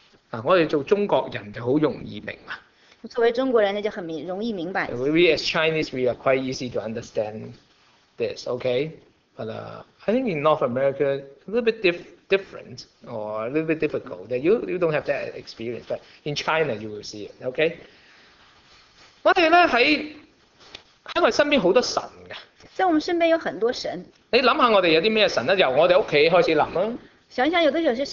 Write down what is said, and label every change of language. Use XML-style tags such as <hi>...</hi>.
<zh>我们做中国人就很容易明白。作为中国人，那就很容易明白。</zh> <en>We as Chinese, we are quite easy to understand this, okay? But I think in North America, a little bit different or a little bit difficult. That you don't have that experience, but in China, you will see it, okay?</en> <zh>我们身边有很多神。你想想我们有什么神呢？由我们家里开始想吧。</zh>